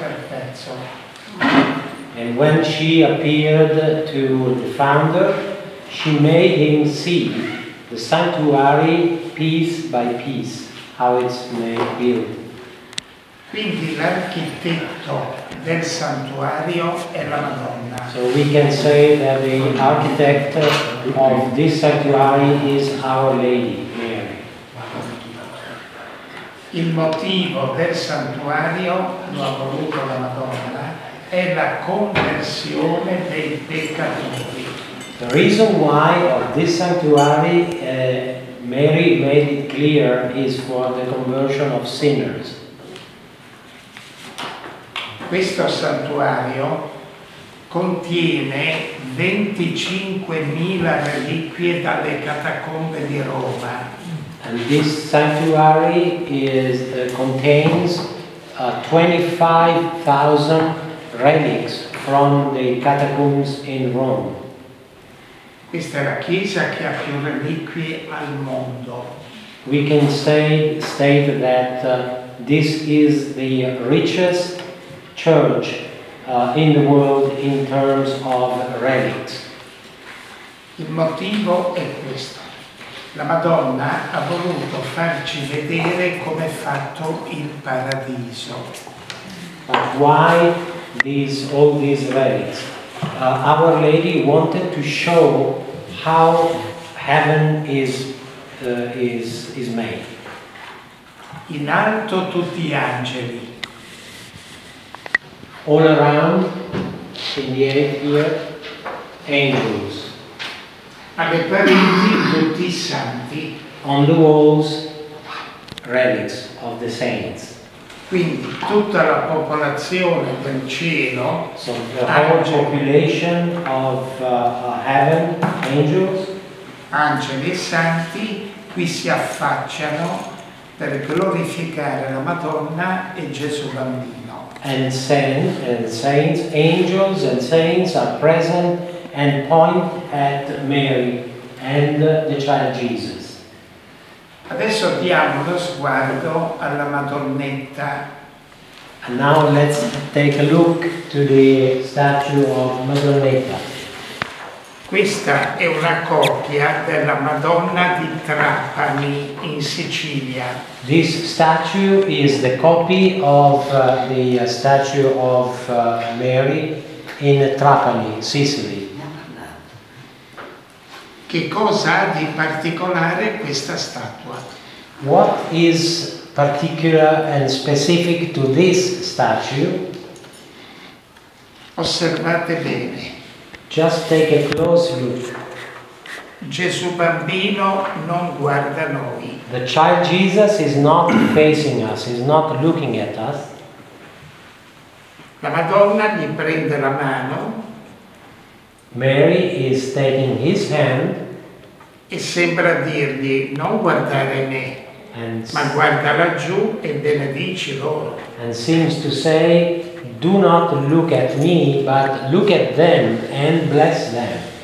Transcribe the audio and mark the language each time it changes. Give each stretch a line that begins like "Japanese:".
English: And when she appeared to the founder, she made him see the sanctuary piece by piece, how it's made built.
Italian: Quindi l'architetto del santuario è la Madonna.
English: So we can say that the architect of this sanctuary is Our Lady Mary.
Italian: Il motivo del santuario lo ha voluto la Madonna è la conversione dei peccatori.
English: The reason why of this sanctuary Mary made it clear is for the conversion of sinners.
Italian: Questo santuario contiene 25.000 reliquie dalle catacombe di Roma.
English: And this sanctuary is contains 25,000 relics from the catacombs in Rome.
Italian: Questa è la chiesa che ha più reliquie al mondo.
English: We can say state that this is the richest church in the world in terms of relics.
Italian: Il motivo è questo. La Madonna ha voluto farci vedere come è fatto il paradiso.
English: But why these all these relics? Our Lady wanted to show how heaven is made.
Italian: In alto tutti gli angeli.
English: All around, in the air, angels.
Italian: Alle pareti, tutti I santi.
English: On the walls, relics of the saints.
Italian: Quindi tutta la popolazione del cielo,
English: so the whole population of heaven, angels,
Italian: angeli e santi, qui si affacciano per glorificare la Madonna e Gesù Bambino.
English: And saints, angels and saints are present and point at Mary and the child Jesus.
Italian: Adesso diamo lo sguardo alla Madonnetta.
English: And now let's take a look to the statue of Madonnetta.
Italian: Questa è una copia della Madonna di Trapani in Sicilia.
English: This statue is the copy of the statue of Mary in Trapani, Sicily.
Italian: Che cosa ha di particolare questa statua?
English: What is particular and specific to this statue?
Italian: Osservate bene.
English: Just take a close look.
Italian: Gesù Bambino non guarda noi.
English: The child Jesus is not facing us, is not looking at us.
Italian: La Madonna gli prende la mano.
English: Mary is taking his hand.
Italian: E sembra dirgli non guardare me, ma guarda laggiù e benedici loro.
English: And seems to say, do not look at me, but look at them and bless them.